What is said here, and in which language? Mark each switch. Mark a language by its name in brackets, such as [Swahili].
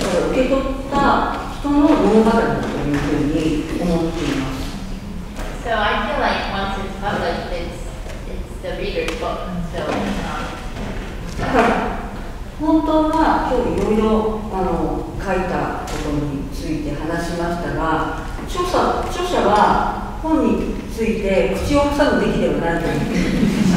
[Japanese] 受け取った人の物語だというふうに思っています。 [English] So I feel like once it's published, it's the reader's book. So, [Japanese] だから本当は今日いろいろ書いたことについて話しましたが、著者は本について口を塞ぐべきではないと思います。